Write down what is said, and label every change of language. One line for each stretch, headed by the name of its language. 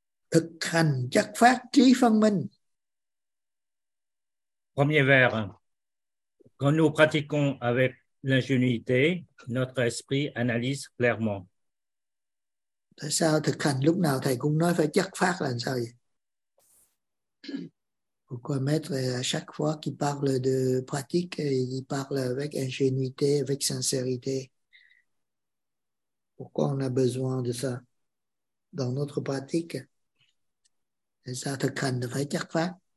Vietnamese: Thực hành chất phát trí phân minh.
French: Premier vers. Quand nous pratiquons avec l'ingénuité, notre esprit analyse clairement.
Vietnamese: Tại sao thực hành lúc nào thầy cũng nói phải chất phát là sao vậy?
French: Pourquoi maître à chaque fois qu'il parle de pratique, il parle avec ingénuité, avec sincérité? Pourquoi on a besoin de ça dans notre pratique?
Vietnamese: Tại sao thực hành là phải chất phát?